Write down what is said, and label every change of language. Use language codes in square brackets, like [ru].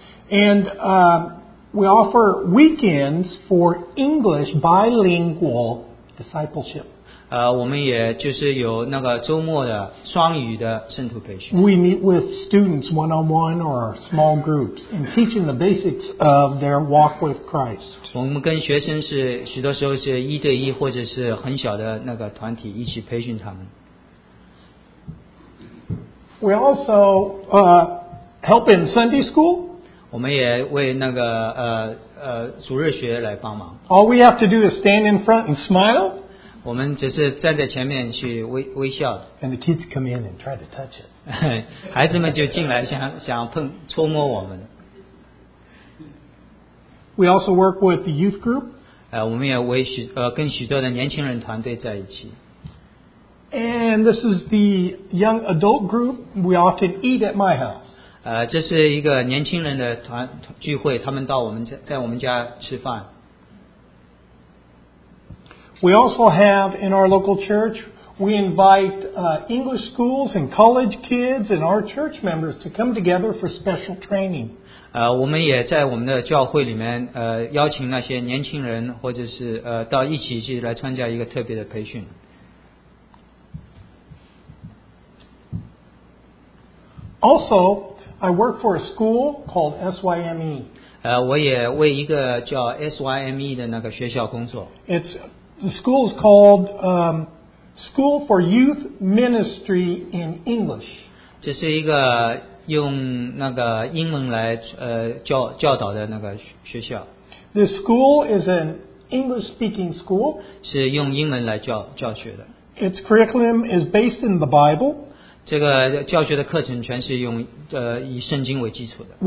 [en] And we offer weekends for English bilingual discipleship. [zh] 我们也就是有那个周末的双语的圣徒培训。 [en] We meet with students one-on-one or small groups and teaching the basics of their walk with Christ. [zh] 我们跟学生是许多时候是一对一或者是很小的那个团体一起培训他们。 [en] We also help in Sunday school. [zh] 我们也为那个主日学来帮忙。 [en] All we have to do is stand in front and smile. [zh] 我们只是站在前面去微笑。 [en] And the kids come in and try to touch it. [zh] 孩子们就进来想碰触摸我们。 [en] We also work with the youth group. [zh] 我们也跟许多的年轻人团队在一起。 [en] And this is the young adult group. We often eat at my house. [zh] 这是一个年轻人的团聚会，他们到我们家在我们家吃饭。 [en] We also have in our local church, we invite English schools and college kids and our church members to come together for special training. [zh] 我们也在我们的教会里面邀请那些年轻人或者是到一起去来参加一个特别的培训。 [en] Also, I work for a school called SYME. [zh] 我也为一个叫 SYME 的那个学校工作。 [en] The school is called School for Youth Ministry in English. [zh] 这是一个用那个英文来教导的那个学校。 [en] The school is an English-speaking school. [zh] 是用英文来教学的。 [en] Its curriculum is based in the Bible. [zh] 这个教学的课程全是用以圣经为基础的。